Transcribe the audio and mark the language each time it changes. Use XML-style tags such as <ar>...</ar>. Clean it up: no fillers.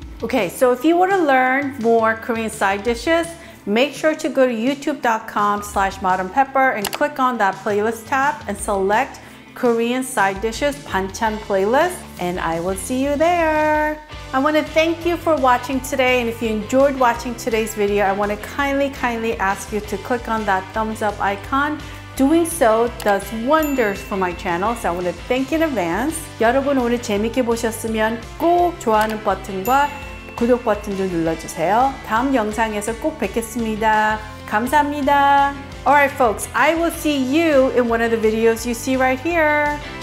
<en>Okay, so if you want to learn more Korean side dishes, make sure to go to youtube.com/modernpepper and click on that playlist tab and select Korean side dishes banchan playlist, and I will see you there. I want to thank you for watching today, and if you enjoyed watching today's video, I want to kindly ask you to click on that thumbs up icon. Doing so does wonders for my channel, so I want to thank you in advance.</en> <ko>여러분 오늘 재밌게 보셨으면 꼭 좋아하는 버튼과 구독 버튼도 눌러주세요. 다음 영상에서 꼭 뵙겠습니다. 감사합니다.</ko> <en>All right, folks, I will see you in one of the videos you see right here.</en>